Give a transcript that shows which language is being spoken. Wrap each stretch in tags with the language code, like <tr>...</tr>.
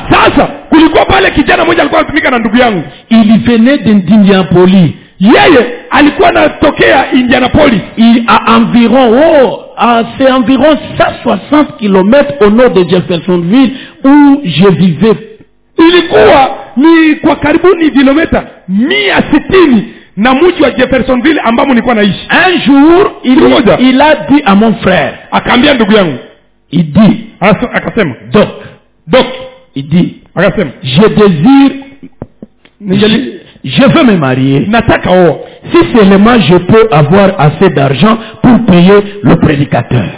<sw>Sasa, kulikuwa pale kijana mmoja alikuwa anatumika na ndugu yangu.</sw> <fr>Il venait d'Indianapolis.</fr> <sw>Yeye alikuwa anatokea Indianapolis.</sw> <fr>Il a environ c'est environ 160 km au nord de Jeffersonville où je vivais.</fr> <sw>Ilikuwa ni kwa karibu ni kilomita 160 na mji wa Jeffersonville ambamo nilikuwa naishi.</sw> <fr>Un jour il a dit à mon frère.</fr> <sw>Akaambia ndugu yangu.</sw> <fr>Il dit.</fr> <sw>Akasema.</sw> <fr>Doc. Il dit.</fr> <sw>Akasema.</sw> <fr>Je désire. Je veux me marier.</fr> <sw>Nataka o.</sw> <fr>Si seulement je peux avoir assez d'argent pour payer le prédicateur.</fr>